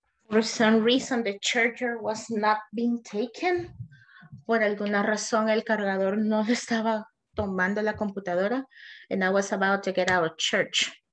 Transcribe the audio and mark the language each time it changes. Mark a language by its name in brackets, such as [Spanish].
[English] For some reason, the charger was not being taken. [Spanish] Por alguna razón, el cargador no le estaba tomando la computadora. [English] And I was about to get out of church.